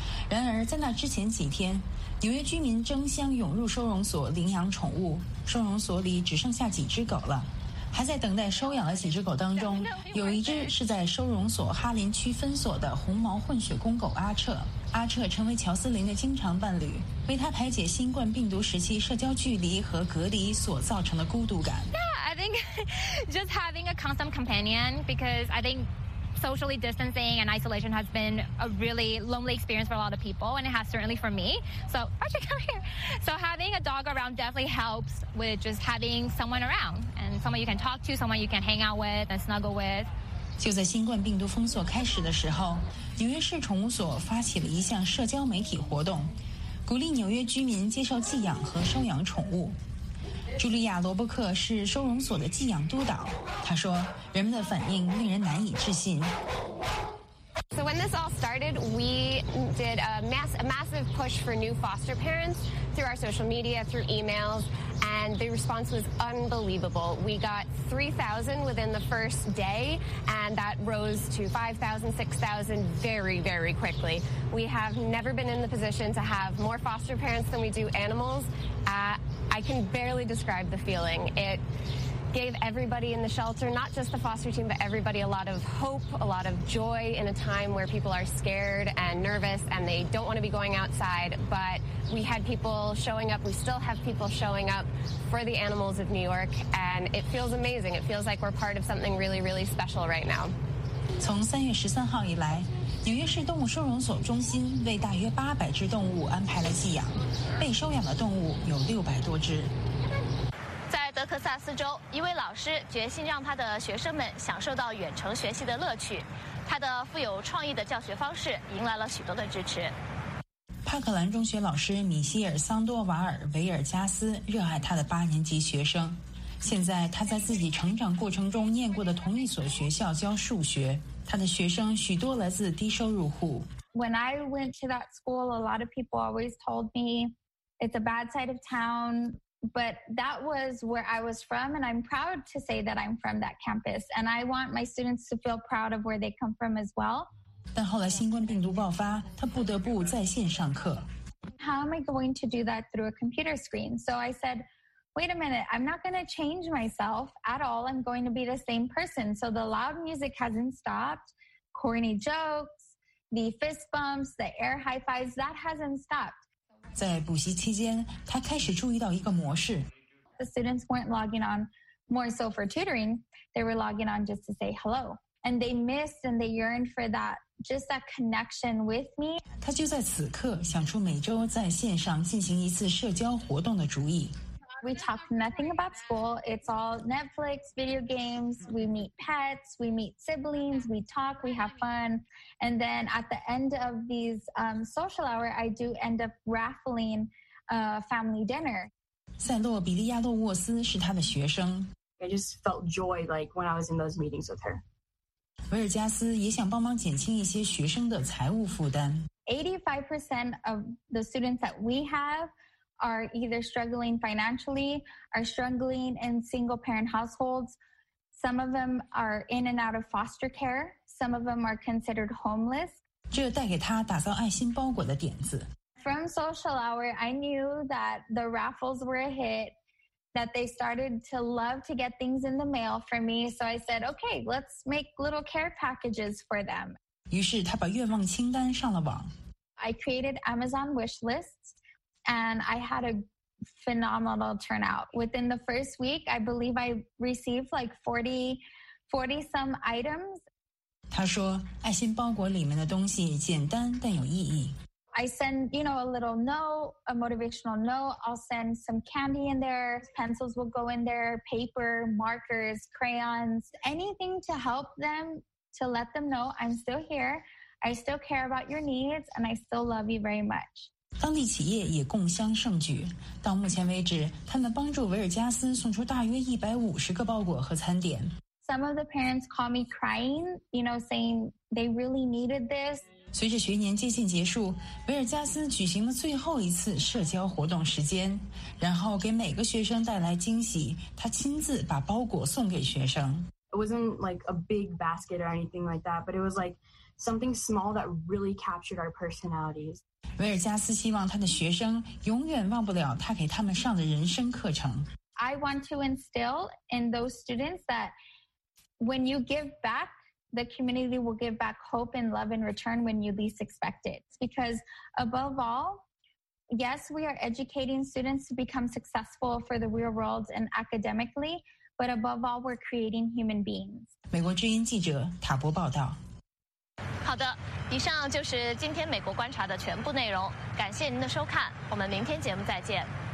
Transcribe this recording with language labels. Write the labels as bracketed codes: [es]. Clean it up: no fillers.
[zh] 然而在那之前几天，纽约居民争相涌入收容所领养宠物，收容所里只剩下几只狗了。还在等待收养的几只狗当中，有一只是在收容所哈林区分所的红毛混血公狗阿彻。阿彻成为乔斯林的经常伴侣，为他排解新冠病毒时期社交距离和隔离所造成的孤独感。 [en] Yeah, I think just having a constant companion because I think socially distancing and isolation has been a really lonely experience for a lot of people, and it has certainly for me. So Archie, come here. So having a dog around definitely helps with just having someone around. Someone you can talk to, someone you can hang out with and snuggle with. [zh] 就在新冠病毒封锁开始的时候，纽约市宠物所发起了一项社交媒体活动，鼓励纽约居民接受寄养和收养宠物。茱莉亚·罗伯克是收容所的寄养督导，她说人们的反应令人难以置信。 [en] So when this all started, we did a massive push for new foster parents through our social media, through emails, and the response was unbelievable. We got 3,000 within the first day, and that rose to 5,000, 6,000 very, very quickly. We have never been in the position to have more foster parents than we do animals. I can barely describe the feeling. It gave everybody in the shelter, not just the foster team, but everybody a lot of hope, a lot of joy in a time where people are scared and nervous and they don't want to be going outside. But we had people showing up. We still have people showing up for the animals of New York, and it feels amazing. It feels like we're part of something really, really special right now. [zh] 从3月13号以来，纽约市动物收容所中心为大约800只动物安排了寄养，被收养的动物有600多只。在德克萨斯州，一位老师决心让他的学生们享受到远程学习的乐趣，他的富有创意的教学方式迎来了许多的支持。帕克兰中学老师米歇尔·桑多瓦尔·维尔加斯热爱他的8年级学生，现在他在自己成长过程中念过的同一所学校教数学，他的学生许多来自低收入户。 [en] When I went to that school, a lot of people always told me it's a bad side of town, but that was where I was from, and I'm proud to say that I'm from that campus, and I want my students to feel proud of where they come from as well. [zh] 但后来新冠病毒爆发，他不得不在线上课。 [en] How am I going to do that through a computer screen? So I said,Wait a minute, I'm not going to change myself at all. I'm going to be the same person. So the loud music hasn't stopped. Corny jokes, the fist bumps, the air high fives, that hasn't stopped. [zh] 在补习期间，他开始注意到一个模式。 [en] The students weren't logging on more so for tutoring. They were logging on just to say hello. And they missed and they yearned for that, just that connection with me. [zh] 他就在此刻想出每周在线上进行一次社交活动的主意。 [en] We talk nothing about school. It's all Netflix, video games. We meet pets. We meet siblings. We talk. We have fun. And then at the end of these social hour, I do end up raffling a family dinner. [zh] 塞洛·比利亚·洛沃斯是他的学生。 [en] I just felt joy like when I was in those meetings with her. [zh] 维尔加斯也想帮忙减轻一些学生的财务负担。 [en] 85% of the students that we have. Are either struggling financially, are struggling in single parent households. Some of them are in and out of foster care. Some of them are considered homeless. [zh] 这带给他打造爱心包裹的点子。 [en] From social hour, I knew that the raffles were a hit, that they started to love to get things in the mail for me. So I said, okay, let's make little care packages for them. [zh] 于是他把愿望清单上了网。 [en] I created Amazon wish lists. And I had a phenomenal turnout. Within the first week, I believe I received like 40-some items. [zh] 他说，爱心包裹里面的东西简单但有意义。 [en] I send, you know, a little note, a motivational note. I'll send some candy in there. Pencils will go in there, paper, markers, crayons, anything to help them, to let them know I'm still here. I still care about your needs, and I still love you very much. [zh] 当地企业也共襄盛举。到目前为止，他们帮助维尔加斯送出大约150个包裹和餐点。 [en] Some of the parents call me crying, you know, saying they really needed this. [zh] 随着学年接近结束，维尔加斯举行了最后一次社交活动时间，然后给每个学生带来惊喜。他亲自把包裹送给学生。 [en] It wasn't like a big basket or anything like that, but it was like something small that really captured our personalities. [zh] 维尔加斯希望他的学生永远忘不了他给他们上的人生课程。 [en] I want to instill in those students that when you give back, the community will give back hope and love in return when you least expect it. Because above all, yes, we are educating students to become successful for the real world and academically, but above all, we're creating human beings. [zh] 美国之音记者塔博报道。好的，以上就是今天美国观察的全部内容，感谢您的收看，我们明天节目再见。